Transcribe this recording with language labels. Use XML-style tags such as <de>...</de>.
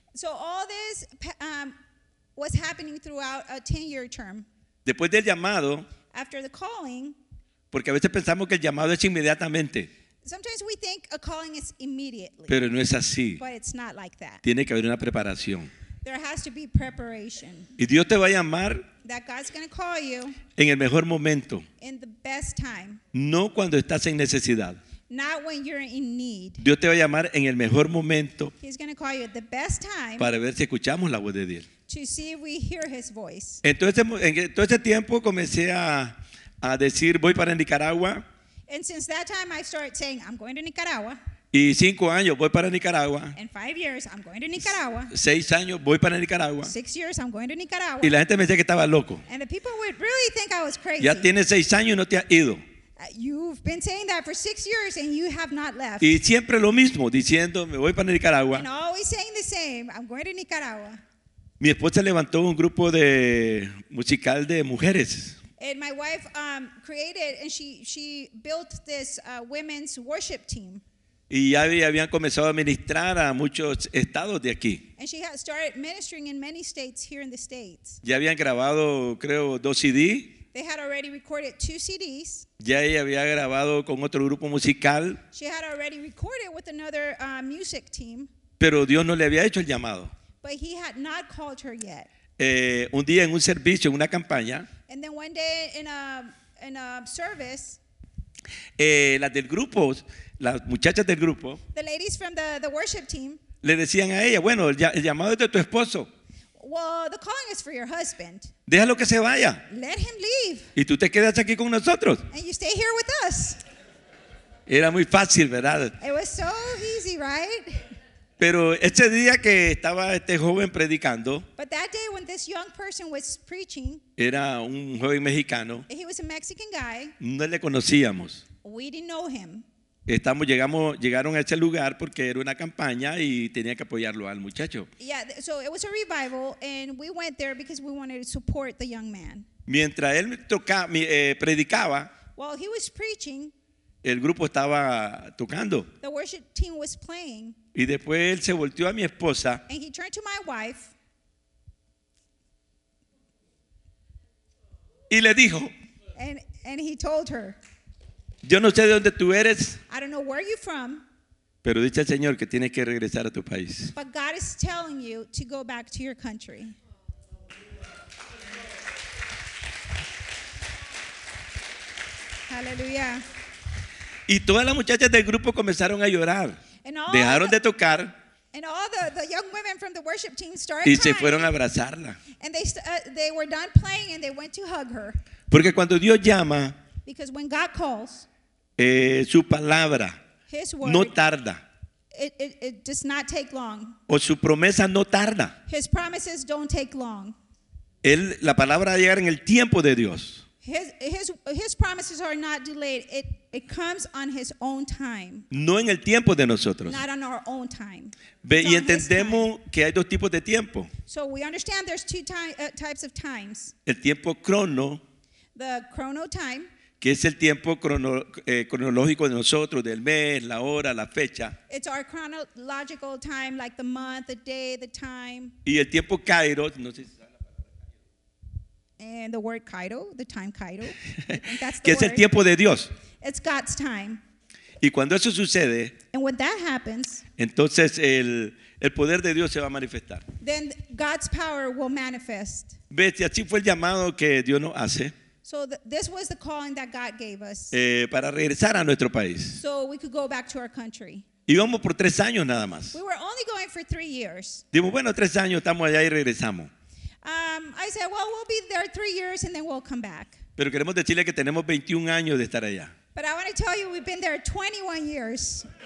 <en>So all this was happening throughout a 10-year term.</en> <es>Después del llamado.</es> <en>After the calling.</en> <es>Porque a veces pensamos que el llamado es inmediatamente.</es> <en>Sometimes we think a calling is immediately.</en> <es>Pero no es así.</es> <en>But it's not like that.</en> <es>Tiene que haber una preparación.</es> <en>There has to be preparation.</en> <es>Y Dios te va a llamar.</es> <en>That God's going to call you.</en> <es>En el mejor momento.</es> <en>In the best time.</en> <es>No cuando estás en necesidad.</es> <en>Not when you're in need.</en> <es>Dios te va a llamar en el mejor momento.</es> <en>He's going to call you at the best time.</en> <es>Para ver si escuchamos la voz de Dios.</es> <en>To see if we hear his voice.</en> <es>Entonces, en todo ese tiempo comencé a decir, voy para Nicaragua.</es> <en>And since that time I started saying, I'm going to Nicaragua.</en> <es>Y 5 años, voy para Nicaragua.</es> <en>And 5 years, I'm going to Nicaragua.</en> <es>6 años, voy para Nicaragua.</es> <en>6 years, I'm going to Nicaragua.</en> <es>Y la gente me decía que estaba loco.</es> <en>And the people would really think I was crazy.</en> <es>Ya tienes 6 años y no te has ido.</es> <en>You've been saying that for 6 years and you have not left.</en> <es>Y siempre lo mismo, diciendo, me voy para Nicaragua.</es> <en>And always saying the same, I'm going to Nicaragua.</en> <es>Mi esposa levantó un grupo de musical de mujeres.</es> <en>And my wife created and she built this women's worship team.</en> <es>Y ya habían comenzado a ministrar a muchos estados de aquí.</es> <en>And she had started ministering in many states here in the States.</en> <es>Ya habían grabado, creo, 2 CDs.</es> <en>They had already recorded 2 CDs.</en> <es>Ya ella había grabado con otro grupo musical.</es> <en>She had already recorded with another music team.</en> <es>Pero Dios no le había hecho el llamado.</es> <en>But he had not called her yet.</en> <es>Un día en un servicio, en una campaña.</es> <en>And then one day in a service.</en> <es>Las del grupo, las muchachas del grupo.</es> <en>The ladies from the worship team.</en> <es>Le decían a ella, bueno, el llamado es de tu esposo.</es> <en>Well, the calling is for your husband.</en> <es>Déjalo que se vaya.</es> <en>Let him leave.</en> <es>Y tú te quedas aquí con nosotros.</es> <en>And you stay here with us.</en> <es>Era muy fácil, ¿verdad?</es> <en>It was so easy, right?</en> <es>Pero ese día que estaba este joven predicando.</es> <en>But that day when this young person was preaching.</en> <es>Era un joven mexicano.</es> <en>He was a Mexican guy.</en> <es>No le conocíamos.</es> <en>We didn't know him.</en> <es>Estamos, llegaron a ese lugar porque era una campaña y tenía que apoyarlo al muchacho.</es> <en>Yeah, so it was a revival and we went there because we wanted to support the young man.</en> <es>Mientras él predicaba,</es> <en>while he was preaching,</en> <es>el grupo estaba tocando.</es> <en>The worship team was playing.</en> <es>Y después él se volteó a mi esposa.</es> <en>And he turned to my wife.</en> <es>Y le dijo.</es> <en>And he told her.</en> <es>Yo no sé de dónde tú eres.</es> <en>I don't know where you're from.</en> <es>Pero dice el Señor que tienes que regresar a tu país.</es> <en>But God is telling you to go back to your country. Hallelujah.</en> <es>Y todas las muchachas del grupo comenzaron a llorar. Dejaron de tocar.</es> <en>And all the young women from the worship team started</en> <es>y</es> <en>crying.</en> <es>Se fueron a abrazarla.</es> <en>And they were done playing and they went to hug her.</en> <es>Porque cuando Dios llama,</es> <en>because when God calls,</en> <es>su palabra,</es> <en>his word,</en> <es>no tarda.</es> <en>It does not take long.</en> <es>O su promesa no tarda.</es> <en>His promises don't take long.</en> <es>La palabra va a llegar en el tiempo de Dios.</es> <en>His promises are not delayed. It comes on his own time.</en> <es>No en el tiempo de nosotros.</es> <en>Not on our own time.</en> <es>Y entendemos que hay dos tipos de tiempo.</es> <en>So we understand there's two types of times.</en> <es>El tiempo crono.</es> <en>The chrono time.</en> <es>Que es el tiempo cronológico de nosotros, del mes, la hora, la fecha.</es> <en>It's our chronological time, like the month, the day, the time.</en> <es>Y el tiempo kairos, no sé.</es> <en>And the word kairo, the time kairo.</en> <es>Que es el tiempo de Dios.</es> <en>It's God's time.</en> <es>Y cuando eso sucede,</es> <en>and when that happens,</en> <es>entonces el poder de Dios se va a manifestar.</es> <en>Then God's power will manifest.</en> <es>¿Ves? Y así fue el llamado que Dios nos hace.</es> <en>So this was the calling that God gave us.</en> <es>Para regresar a nuestro país.</es> <en>So we could go back to our country.</en> <es>Íbamos por 3 años nada más.</es> <en>We were only going for 3 years.</en> <es>Dimos, bueno, 3 años, estamos allá y regresamos.</es> <en>I said, well, we'll be there 3 years and then we'll come back.</en> <es>Pero queremos decirle que tenemos 21 años de estar allá. But I want to tell you, we've been there 21 years.</es>